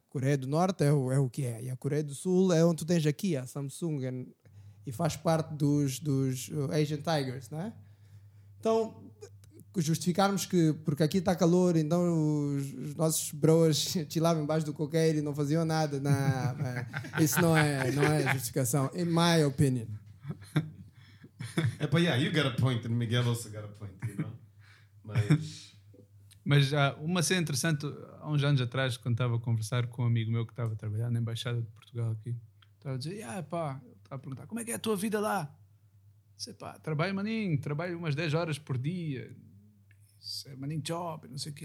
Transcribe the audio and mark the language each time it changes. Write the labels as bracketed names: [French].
[Portuguese] Coreia do Norte é o que é. E a Coreia do Sul é onde tu tens aqui a Samsung e faz parte dos Asian Tigers, não é? Então, justificarmos que porque aqui está calor, então os nossos broas chilavam embaixo do coqueiro e não faziam nada. Não, isso não é justificação, [English] in my opinion. É, but yeah, you got a point, and Miguel also got a point, you know? [Portuguese] Mas uma cena interessante, há uns anos atrás, quando estava a conversar com um amigo meu que estava a trabalhar na Embaixada de Portugal aqui, estava a dizer, yeah, pá, estava a perguntar, como é que é a tua vida lá? Disse, pá, trabalho, maninho, trabalho umas 10 horas por dia, disse, maninho job, não sei o quê.